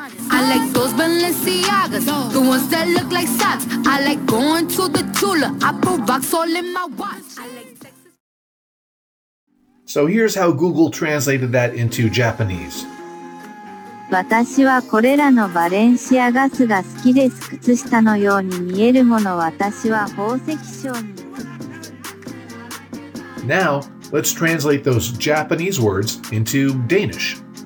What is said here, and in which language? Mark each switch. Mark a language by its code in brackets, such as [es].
[en] I like those Balenciagas, the ones that look like socks. I like going to the Tula, I put rocks all in my watch. So here's how Google translated that into Japanese. [ja] 私はこれらのバレンシアガスが好きです。靴下のように見えるもの、私は宝石商に。 [en] Now, let's translate those Japanese words into Danish.